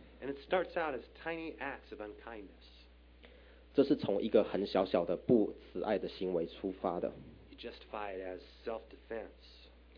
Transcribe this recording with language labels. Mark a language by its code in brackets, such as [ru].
[en] And it starts out as tiny acts of unkindness. [zh] 这是从一个很小小的不慈爱的行为出发的。 [en] You justify it as self-defense.